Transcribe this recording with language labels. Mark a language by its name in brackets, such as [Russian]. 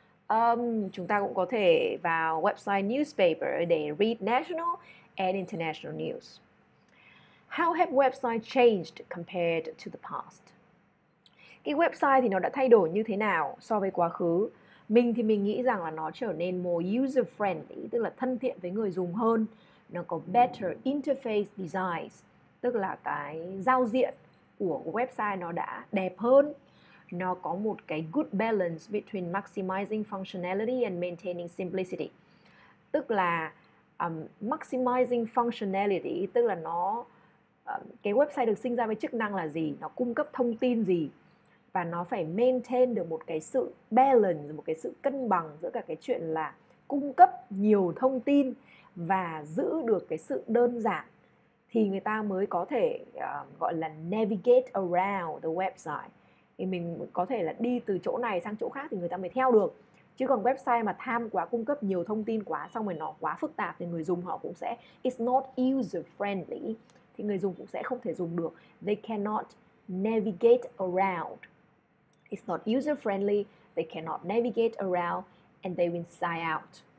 [Vietnamese] Chúng ta cũng có thể vào website newspaper để [English] read national and international news. How have website changed compared to the past? [Vietnamese] Cái website thì nó đã thay đổi như thế nào so với quá khứ? Mình thì mình nghĩ rằng là nó trở nên [English] more user friendly, [Vietnamese] tức là thân thiện với người dùng hơn. Nó có [English] better interface designs, [Vietnamese] tức là cái giao diện của website nó đã đẹp hơn. Nó có một cái [English] good balance between maximizing functionality and maintaining simplicity. [Vietnamese] Tức là [English] maximizing functionality, [Vietnamese] tức là nó cái website được sinh ra với chức năng là gì, nó cung cấp thông tin gì, và nó phải maintain được một cái sự balance, một cái sự cân bằng giữa cả cái chuyện là cung cấp nhiều thông tin và giữ được cái sự đơn giản, thì người ta mới có thể gọi là [English] navigate around the website. [Vietnamese] Thì mình có thể là đi từ chỗ này sang chỗ khác thì người ta mới theo được. Chứ còn website mà tham quá, cung cấp nhiều thông tin quá, xong rồi nó quá phức tạp thì người dùng họ cũng sẽ [English] it's not user friendly, [Vietnamese] thì người dùng cũng sẽ không thể dùng được. [English] They cannot navigate around. It's not user friendly, they cannot navigate around and they will sigh out.